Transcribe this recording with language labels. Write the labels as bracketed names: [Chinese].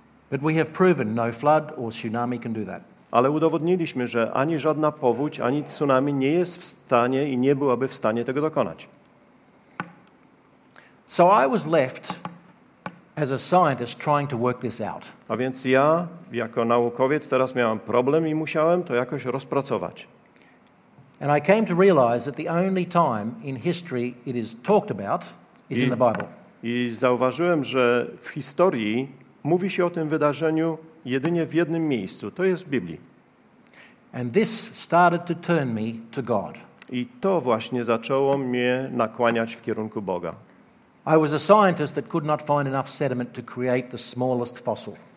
[English] But we have proven no flood or tsunami can do that. [Polish] Ale udowodniliśmy, że ani żadna powódź, ani tsunami nie jest w stanie i nie byłaby w stanie tego dokonać. [English] So I was left as a scientist trying to work this out. [Polish] A więc ja jako naukowiec teraz miałem problem i musiałem to jakoś rozpracować. [English] And I came to realize that the only time in history it is talked about is in the Bible. [Polish] I zauważyłem, że w historii mówi się o tym wydarzeniu jedynie w jednym miejscu, to jest w Biblii. [English] And this started to turn me to God. [Polish] I to właśnie zaczęło mnie nakłaniać w kierunku Boga. [English] I was a scientist that could not find enough sediment to create the smallest fossil.